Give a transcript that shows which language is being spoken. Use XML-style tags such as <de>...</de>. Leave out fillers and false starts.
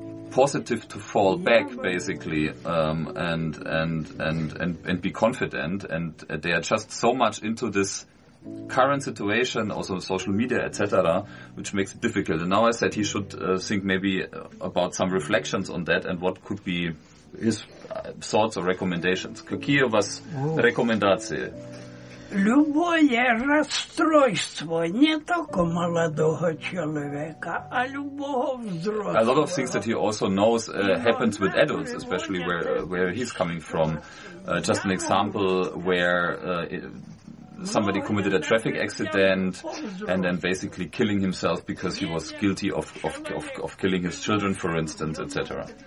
<en>positive to fall back, basically, and be confident, and they are just so much into this current situation, also social media, etc., which makes it difficult. And now I said he should think maybe about some reflections on that and what could be his thoughts or recommendations.</en> <ru>Какие у вас рекомендации? Любое расстройство не только молодого человека, а любого взрослого.</ru> <en>A lot of things that he also knows happens with adults, especially where he's coming from. Just an example where somebody committed a traffic accident and then basically killing himself because he was guilty of killing his children, for instance, etc.</en>